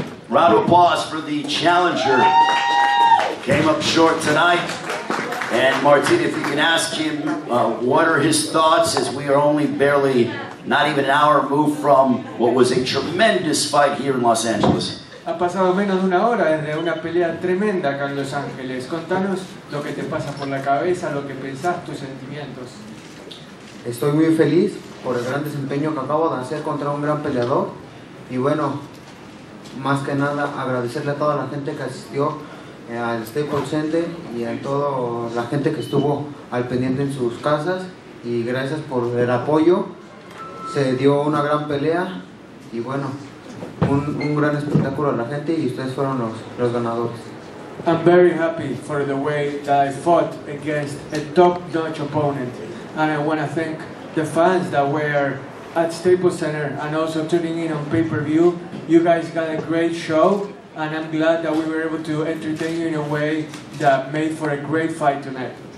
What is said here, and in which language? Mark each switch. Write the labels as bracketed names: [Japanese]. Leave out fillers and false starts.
[English] Round of applause for the challenger. Came up short tonight. And Martin, if you can ask him what are his thoughts, as we are only barely, not even an hour removed from what was a tremendous fight here in Los Angeles. [Spanish] Ha pasado menos de una hora desde una pelea tremenda acá en Los Ángeles. Contanos lo que te pasa por la cabeza, lo que pensás, tus sentimientos. Estoy muy feliz por el gran desempeño que acabo de hacer contra un gran peleador. Y bueno, más que nada agradecerle a toda la gente que asistió al Staples Center y a toda la gente que estuvo al pendiente en sus casas. Y gracias por el apoyo. Se dio una gran pelea y bueno, un gran espectáculo a la gente y ustedes fueron los ganadores. [English] I'm very happy for the way that I fought against a top-notch opponent. And I want to thank the fans that were at Staples Center and also tuning in on pay-per-view. You guys got a great show and I'm glad that we were able to entertain you in a way that made for a great fight tonight.